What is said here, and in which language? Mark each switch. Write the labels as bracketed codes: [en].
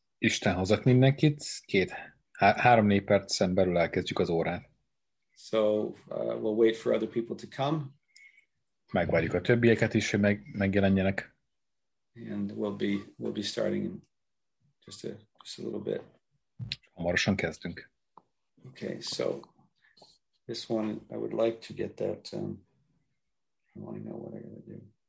[hu] Isten hozott mindenkit, két, három négy percen belül elkezdjük az órát. [en] So we'll wait for other people to come. [hu] Megvárjuk a többieket is, hogy megjelenjenek. [en] And we'll be starting in just a little bit. [hu] Hamarosan kezdünk. [en] Okay, so this one, I would like to get that, I want to know what I got to do.